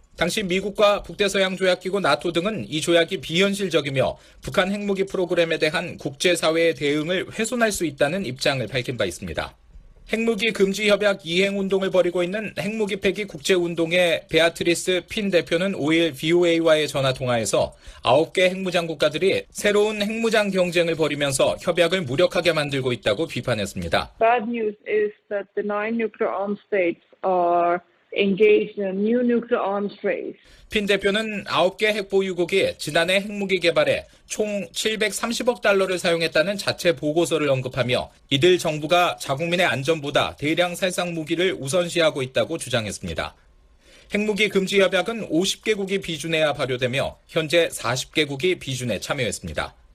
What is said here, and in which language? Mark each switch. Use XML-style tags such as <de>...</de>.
<ko>당시 미국과 북대서양 조약기구 나토 등은 이 조약이 비현실적이며 북한 핵무기 프로그램에 대한 국제사회의 대응을 훼손할 수 있다는 입장을 밝힌 바 있습니다. 핵무기 금지 협약 이행 운동을 벌이고 있는 핵무기 폐기 국제 운동의 베아트리스 핀 대표는 5일 VOA와의 전화 통화에서 9개 핵무장 국가들이 새로운 핵무장 경쟁을 벌이면서 협약을 무력하게 만들고 있다고 비판했습니다.</ko> <en>Bad news is that the nine nuclear armed states are engaged in a new nuclear arms race.</en> <ko>핀 대표는 9개 핵 보유국이 지난해 핵무기 개발에 총 730억 달러를 사용했다는 자체 보고서를 언급하며 이들 정부가 자국민의 안전보다 대량 살상 무기를 우선시하고 있다고 주장했습니다. 핵무기 금지 협약은 50개국이 비준해야 발효되며 현재 40개국이 비준에 참여했습니다.</ko>